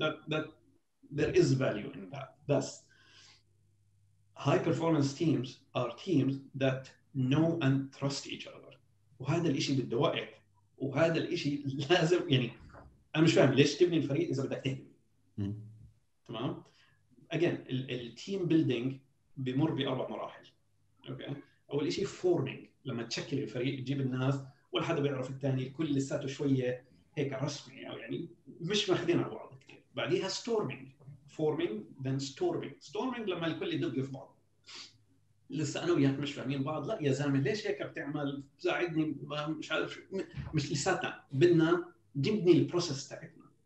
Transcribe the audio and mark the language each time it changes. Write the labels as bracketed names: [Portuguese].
[English] That there is value in that. [Arabic] بس [English] high performance teams are teams that know and trust each other. [Arabic] وهذا الاشي بده وقت، وهذا الاشي لازم. يعني انا مش فاهم ليش تبني الفريق اذا بدك تهدمه. تمام. Again ال team building بمر باربع مراحل. اوكي، اول اشي forming، لما تشكل الفريق تجيب الناس ولا حدا بيعرف الثاني، الكل لساته شويه هيك رسمي او يعني مش ماخذين على بعض كثير. بعديها storming، forming then storming. storming لما الكل يدق في بعض، لسه انا وياك مش فاهمين بعض، لا يا زلمه ليش هيك بتعمل، ساعدني، مش عارف، مش لساتنا بدنا نبني البروسيس تاعتنا.